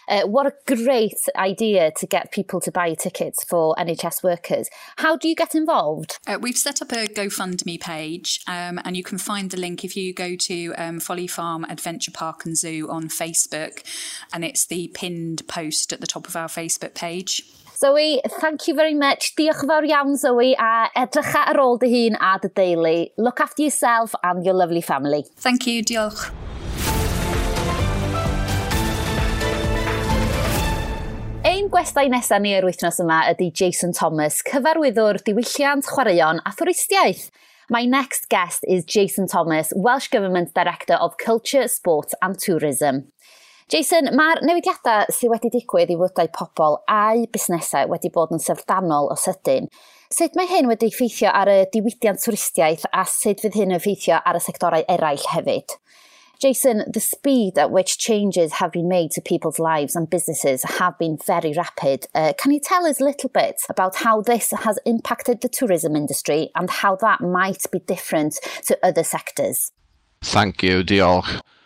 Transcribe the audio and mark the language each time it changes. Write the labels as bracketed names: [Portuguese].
[English] What a great idea to get people to buy tickets for NHS workers. How do you get involved? We've set up a GoFundMe page, and you can find the link if you go to Folly Farm Adventure Park and Zoo on Facebook, and it's the pinned post at the top of our Facebook page. Zoe, thank you very much. [Welsh] Diolch yn fawr iawn, Zoe, a edrych ar ôl dy hun a dy deulu. [English] Look after yourself and your lovely family. Thank you, diolch. [Welsh] Ein gwestai nesaf ni yr wythnos yma ydy Jason Thomas, cyfarwyddwr diwylliant, chwaraeon a thwristiaeth. [English] My next guest is Jason Thomas, Welsh Government Director of Culture, Sport and Tourism. [Welsh] Jason, mae'r newidiadau sydd wedi digwydd i fwydau pobl a'u busnesau wedi bod yn syfrdanol o sydyn. Sut mae hyn wedi effeithio ar y diwydiant twristiaeth a sut fydd hyn yn effeithio ar y sectorau eraill hefyd? [English] Jason, the speed at which changes have been made to people's lives and businesses have been very rapid. Can you tell us a little bit about how this has impacted the tourism industry and how that might be different to other sectors? Thank you, diolch.